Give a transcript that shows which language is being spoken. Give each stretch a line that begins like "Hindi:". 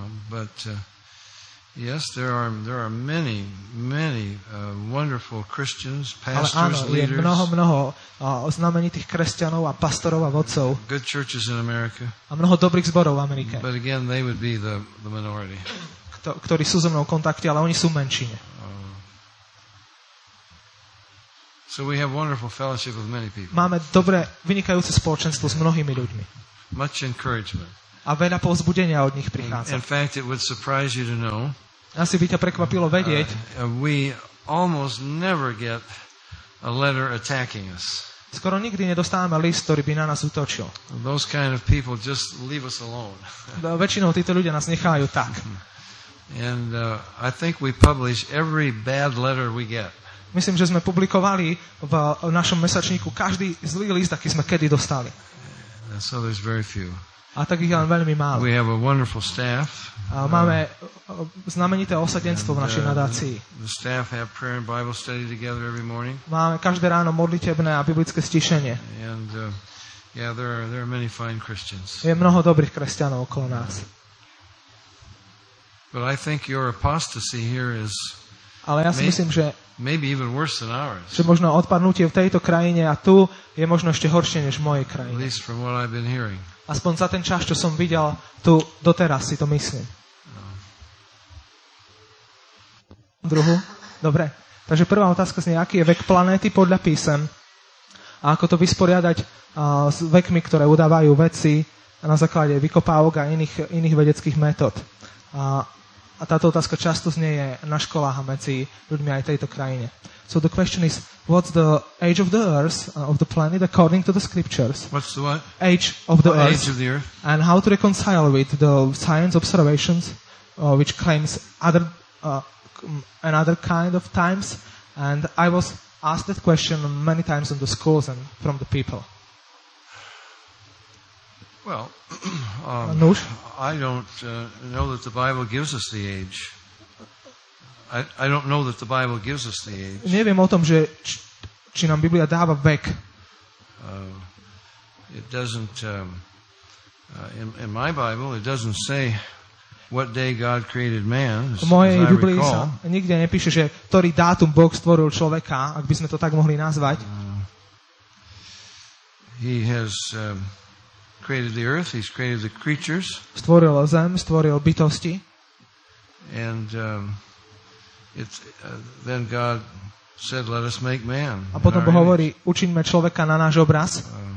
English: But yes, there are many, many wonderful Christians, pastors, leaders.
Slovak: Ale áno, je mnoho znamenitých kresťanov a pastorov a vodcov.
English: Good churches in America.
Slovak: A mnoho dobrých zborov v Amerike.
English: But again, they would be the minority.
Slovak: Ktorí sú so mnou v kontakte, ale oni sú v menšine.
English: So we have wonderful fellowship with many people.
Slovak: Máme dobré, vynikajúce spoločenstvo s mnohými ľuďmi.
English: Much encouragement.
Slovak: A veľa povzbudenia od nich prichádza.
English: In fact, it would surprise you to know.
Slovak: Asi by ťa prekvapilo vedieť.
English: We almost never get a letter attacking us.
Slovak: Skoro nikdy nedostávame list, ktorý by na nás útočil.
English: Those kind of people just leave us alone.
Slovak: Väčšinou títo ľudia nás nechajú tak.
English: And I think we publish every bad letter we get.
Slovak: Myslím, že sme publikovali v našom mesačníku každý zlý list, aký sme kedy dostali.
English: And so there's very few.
Slovak: A takých len veľmi málo.
English: We have a wonderful staff.
Slovak: Máme znamenité osadenstvo v našej nadácii.
English: The staff have prayer and Bible study together every morning.
Slovak: Máme každé ráno modlitebné a biblické stišenie.
English: And yeah, there are many fine Christians.
Slovak: Je mnoho dobrých kresťanov okolo nás.
English: But I think your apostasy here is
Slovak: Ale ja si myslím, že
English: maybe even worse than ours.
Slovak: Že možno odpadnutie v tejto krajine a tu je možno ešte horšie než v mojej krajine.
English: At least from what I've been hearing.
Slovak: Aspoň za ten čas, čo som videl tu doteraz, si to myslím. Druhú? Dobre. Takže prvá otázka znie, aký je vek planéty podľa písem a ako to vysporiadať s vekmi, ktoré udávajú veci na základe vykopávok a iných vedeckých metód. A táto otázka často znie na školách a medzi ľuďmi aj tejto krajine.
English: So the question is, what's the age of the earth, of the planet, according to the scriptures? What's the what? Age of the earth. Age of the earth. And how to reconcile with the science observations, which claims other another kind of times. And I was asked that question many times in the schools and from the people. Well, I don't know that the Bible gives us the age. I don't know that the Bible gives us the age.
Slovak: Neviem o tom, že či nám Biblia dáva vek.
English: It doesn't in my Bible it doesn't say what day God created man.
Slovak: V mojej Biblii sa nikde nepíše, že ktorý dátum Boh stvoril človeka, ak by sme to tak mohli nazvať.
English: He has created the earth, he's created the creatures.
Slovak: Stvoril zem, stvoril bytosti.
English: And it's then God said let us make man.
Slovak: A potom Boh hovorí, učiňme človeka na náš obraz.